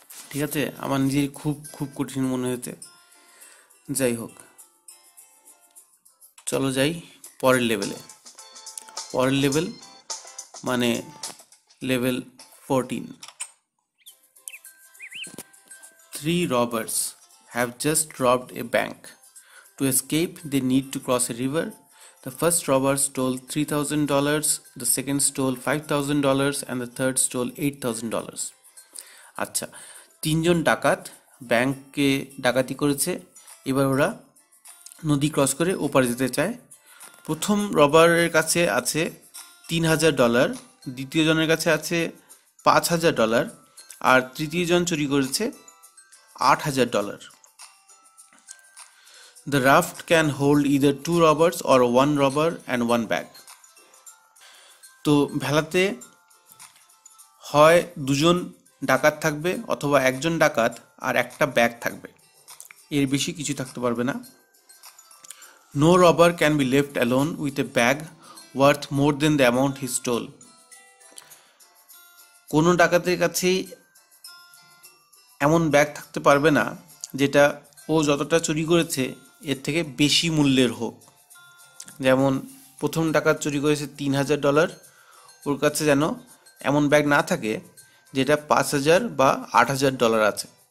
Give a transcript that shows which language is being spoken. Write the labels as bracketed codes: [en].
[bn] ঠিক আছে, আমার নিজের খুব খুব কঠিন মনে হয়েছে। যাই হোক, চলো যাই পরের লেভেলে। পরের লেভেল মানে level 14। [en] Three robbers have just robbed a bank. To escape they need to cross a river. The first robber stole $3,000, the second stole $5,000, and the third stole $8,000. [bn] আচ্ছা, তিনজন ডাকাত ব্যাংককে ডাকাতি করেছে, এবার ওরা নদী ক্রস করে ওপার যেতে চায়। প্রথম রবারের কাছে আছে $3,000, দ্বিতীয় জনের কাছে আছে $5,000, আর তৃতীয় জন চুরি করেছে $8,000। [en] The raft can hold either two robbers or one robber and one bag. [bn] তো ভেলাতে হয় দুজন ডাকাত থাকবে অথবা একজন ডাকাত আর একটা ব্যাগ থাকবে, এর বেশি কিছু থাকতে পারবে না। [en] No robber can be left alone with a bag worth more than the amount he stole. [bn] কোনো ডাকাতের কাছে এমন ব্যাগ থাকতে পারবে না যেটা ও যতটা চুরি করেছে এর থেকে বেশি মূল্যের হোক। যেমন প্রথম ডাকাত চুরি করেছে $3,000, ওর কাছে যেন এমন ব্যাগ না থাকে যেটা $5,000 বা $8,000 আছে।